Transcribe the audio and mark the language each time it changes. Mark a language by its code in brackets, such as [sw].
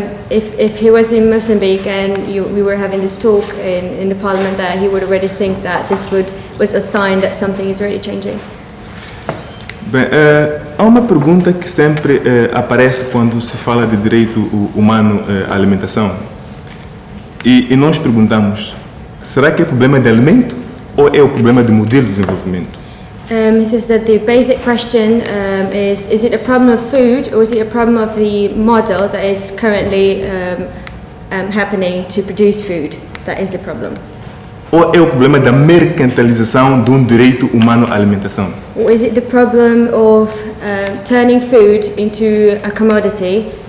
[en] If he was in Mozambique and we were having this talk in the parliament there, he would already think that this was a sign that something is already changing. [pt] Bem, há uma pergunta que sempre aparece quando se fala de direito humano à alimentação. E nós perguntamos, será que é problema de alimento ou é o problema de modelo de desenvolvimento? [en] He says that the basic question is it a problem of food or is it a problem of the model that is currently happening to produce food that is the problem? [pt] Ou é o problema da mercantilização de direito humano à alimentação? [en] Or is it the problem of turning food into a commodity?